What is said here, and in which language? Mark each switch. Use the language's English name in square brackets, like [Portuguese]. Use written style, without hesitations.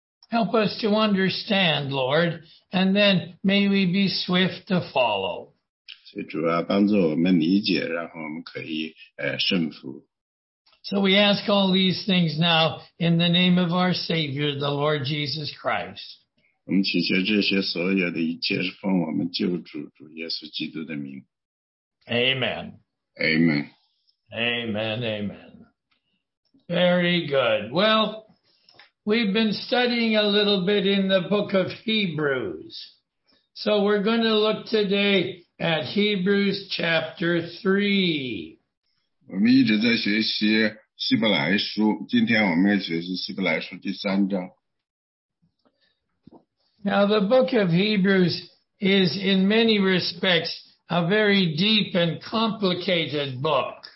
[English] Help us to understand, Lord, and then may we be swift to follow. [Chinese] 所以主要帮助我们理解，然后我们可以顺服。 [English] So we ask all these things now in the name of our Savior, the Lord Jesus Christ. [Chinese] 我们祈求这些所有的一切是奉我们救主主耶稣基督的名。Amen. [English] Amen. Amen, amen. Very good. Well, we've been studying a little bit in the book of Hebrews. So we're going to look today at Hebrews chapter 3. [Chinese] 我们一直在学习希伯来书，今天我们要学习希伯来书第三章。 [English] Now, the book of Hebrews is, in many respects, a very deep and complicated book.